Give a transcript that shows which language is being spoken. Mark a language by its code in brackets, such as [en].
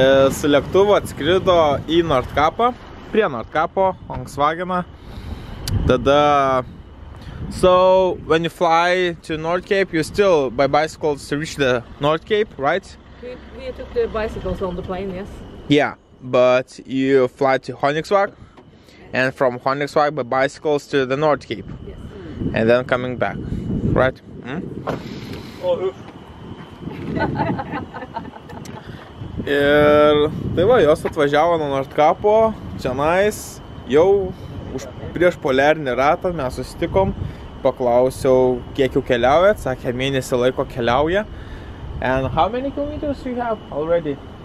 [lt] Su lėktuvu atskrido į Nordkapą, prie Nordkapo, Volkswagen'ą. Tada... [en] So, when you fly to North Cape, you still by bicycles to reach the North Cape, right? We took the bicycles on the plane, yes. Yeah, but you fly to Honigsvag, and from Honigsvag by bicycles to the North Cape. Yes. And then coming back, right? Mm? Oh, [lt] ir tai va, jos atvažiavo nuo Nordkapo, čionais, jau už prieš poliarinį ratą mes susitikom. Paklausiau, kiek jau keliaujat, sakė, mėnesį laiko keliauja. [en] And how many kilometers do you have already?